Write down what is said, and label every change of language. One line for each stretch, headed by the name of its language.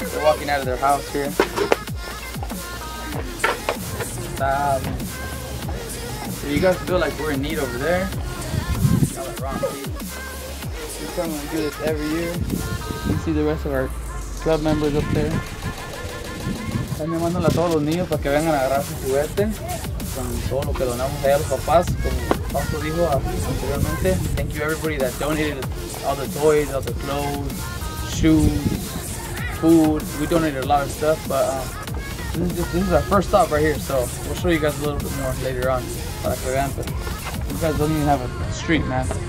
English: They're walking out of their house here. So you guys feel like we're in need over there. We come and do this every year. You see the rest of our club members up there.
Spanish: Están llamándole a todos los niños para que vengan a agarrar su juguete. Con todo lo que donamos allá a los papás, como Pastor dijo anteriormente.
English: Thank you everybody that donated all the toys, all the clothes, shoes, food. We donated a lot of stuff, but this is our first stop right here. So we'll show you guys a little bit more later on.
Spanish: Para que vean,
English: but you guys don't even have a street, man.